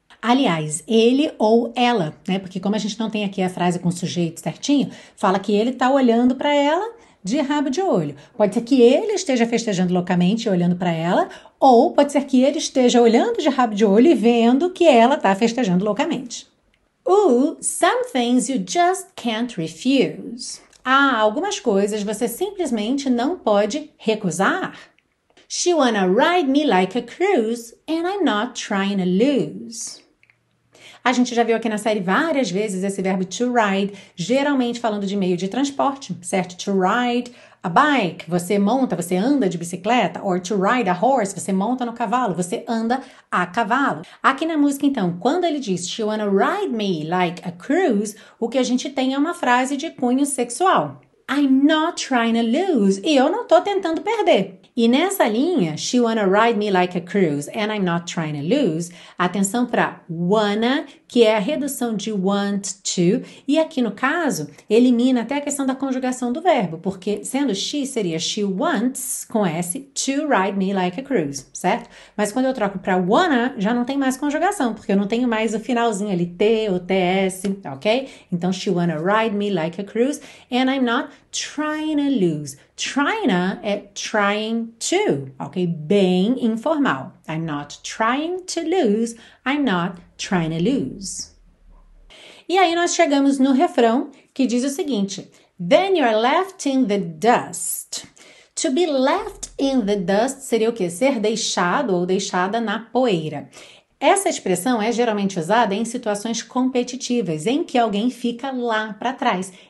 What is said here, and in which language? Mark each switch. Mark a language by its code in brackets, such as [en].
[pt] Aliás, ele ou ela, né? Porque como a gente não tem aqui a frase com sujeito certinho, fala que ele tá olhando pra ela de rabo de olho. Pode ser que ele esteja festejando loucamente e olhando pra ela, ou pode ser que ele esteja olhando de rabo de olho e vendo que ela tá festejando loucamente. [en] Ooh, some things you just can't refuse. [pt] Há algumas coisas você simplesmente não pode recusar. [en] She wanna ride me like a cruise, and I'm not trying to lose. [pt] A gente já viu aqui na série várias vezes esse verbo to ride, geralmente falando de meio de transporte, certo? [en] To ride a bike, [pt] você monta, você anda de bicicleta, [en] or to ride a horse, [pt] você monta no cavalo, você anda a cavalo. Aqui na música, então, quando ele diz [en] she wanna ride me like a cruise, [pt] o que a gente tem é uma frase de cunho sexual. [en] I'm not trying to lose. [pt] E eu não tô tentando perder. E nessa linha, [en] she wanna ride me like a cruise, and I'm not trying to lose. [pt] Atenção para wanna, que é a redução de want to. E aqui no caso, elimina até a questão da conjugação do verbo, porque sendo she, seria [en] she wants, [pt] com S, [en] to ride me like a cruise, [pt] certo? Mas quando eu troco para wanna, já não tem mais conjugação, porque eu não tenho mais o finalzinho ali, T ou TS, ok? [en] Então, she wanna ride me like a cruise, and I'm not trying to lose. [pt] Trying é trying to, ok? Bem informal. [en] I'm not trying to lose, I'm not trying to lose. [pt] E aí nós chegamos no refrão que diz o seguinte: [en] then you're left in the dust. To be left in the dust [pt] seria o quê? Ser deixado ou deixada na poeira. Essa expressão é geralmente usada em situações competitivas, em que alguém fica lá para trás.